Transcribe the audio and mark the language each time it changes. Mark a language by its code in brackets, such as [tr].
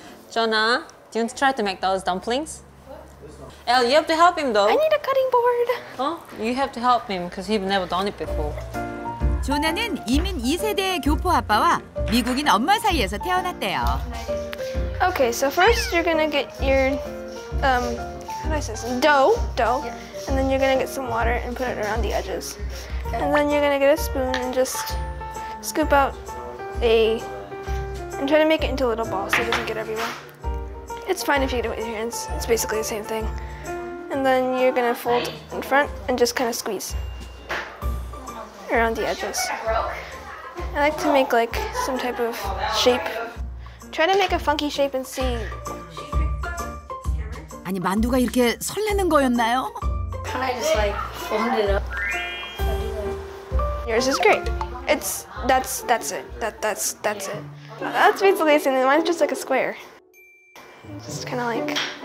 [en] 조나, do you want to try to make those dumplings? El, you have to help him though. I need a cutting board. Oh, you have to help him because he's never done it before. [ko] 조나는 이민 2세대의 교포 아빠와 미국인 엄마 사이에서 태어났대요. [en] Okay, so first you're gonna get your, how do I say this? Dough. And then you're gonna get some water and put it around the edges. And then you're gonna get a spoon and just scoop out and try to make it into a little ball so it doesn't get everywhere. It's fine if you get it with your hands. It's basically the same thing. And then you're gonna fold in front and just kind of squeeze around the edges. I like to make like some type of shape. Try to make a funky shape and see. [ko] 아니 만두가 이렇게 설레는 거였나요? [en] Can I just like fold it up? Yours is great. That's it. That's basically the same thing. Mine's just like a square. Just kind of like.